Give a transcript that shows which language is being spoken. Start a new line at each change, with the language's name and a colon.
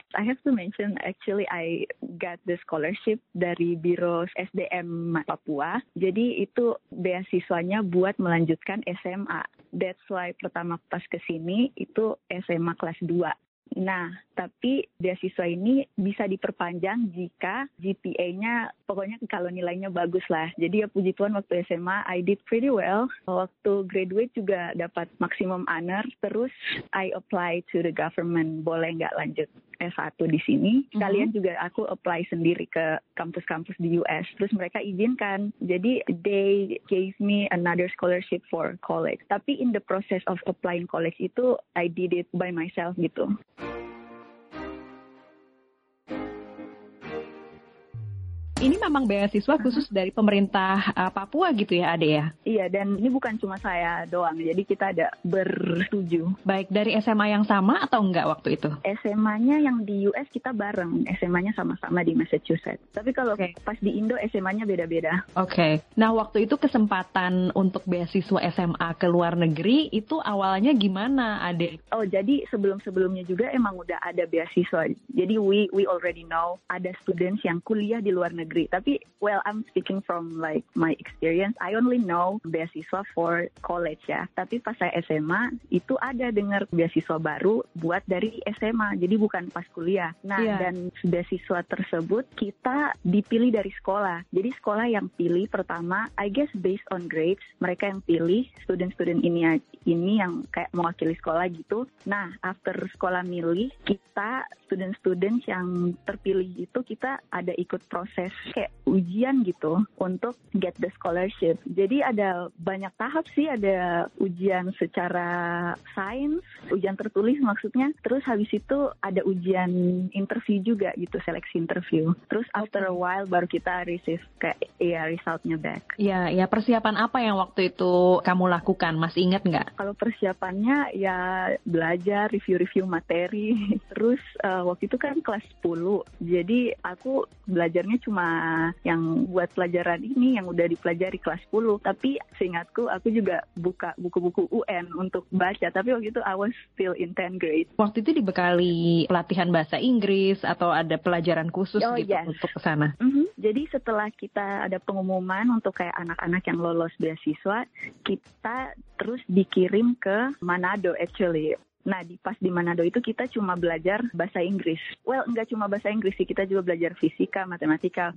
English: I have to mention, actually I got the scholarship
Indonesian: dari Biro SDM Papua. Jadi itu beasiswanya buat melanjutkan SMA.
English: That's why
Indonesian: pertama pas kesini itu SMA kelas 2. Nah, tapi beasiswa ini bisa diperpanjang jika GPA-nya, pokoknya kalau nilainya bagus lah. Jadi ya puji Tuhan waktu SMA,
English: I did pretty well.
Indonesian: Waktu graduate juga dapat maksimum honor. Terus
English: I apply to the government,
Indonesian: boleh nggak lanjut S1 di sini. Kalian juga aku apply sendiri ke kampus-kampus di US. Terus mereka izinkan.
English: Jadi they gave me another scholarship for college. Tapi in the process of applying college itu, I did it by myself gitu.
Indonesian: Ini memang beasiswa khusus dari pemerintah Papua gitu ya, Ade ya? Iya, dan ini bukan cuma saya doang. Jadi kita ada bertujuh. Baik, dari SMA yang sama atau enggak waktu itu? SMA-nya yang di US kita bareng. SMA-nya sama-sama di Massachusetts. Tapi kalau pas di Indo, SMA-nya beda-beda. Okay. Nah, waktu itu kesempatan untuk beasiswa SMA ke luar negeri, itu awalnya gimana, Ade? Oh, jadi sebelum-sebelumnya juga emang udah ada beasiswa. Jadi
English: we already know
Indonesian: ada students yang kuliah di luar negeri.
English: Tapi, well, I'm speaking from like my experience. I only know beasiswa for college ya.
Indonesian: Tapi pas saya SMA, itu ada dengar beasiswa baru buat dari SMA. Jadi bukan pas kuliah. Nah, yeah. Dan beasiswa tersebut kita dipilih dari sekolah. Jadi sekolah yang pilih pertama,
English: I guess based on grades,
Indonesian: mereka yang pilih student-student ini yang kayak mewakili sekolah gitu. Nah, after sekolah milih, kita student-student yang terpilih itu, kita ada ikut proses kayak ujian gitu untuk
English: get the scholarship.
Indonesian: Jadi ada banyak tahap sih, ada ujian secara sains, ujian tertulis maksudnya. Terus habis itu ada ujian interview juga gitu, seleksi interview. Terus
English: after a while
Indonesian: baru kita receive kayak resultnya back. Ya persiapan apa yang waktu itu kamu lakukan? Mas ingat nggak? Kalau persiapannya ya belajar, review-review materi. Terus waktu itu kan kelas 10, jadi aku belajarnya cuma yang buat pelajaran ini yang udah dipelajari kelas 10. Tapi seingatku aku juga buka buku-buku UN untuk baca. Tapi waktu itu
English: I was still in 10th grade.
Indonesian: Waktu itu dibekali pelatihan bahasa Inggris atau ada pelajaran khusus untuk kesana? Jadi setelah kita ada pengumuman untuk kayak anak-anak yang lolos beasiswa, kita terus dikirim ke Manado actually. Nah, di Manado itu kita cuma belajar bahasa Inggris. Well, nggak cuma bahasa Inggris sih, kita juga belajar fisika, matematika.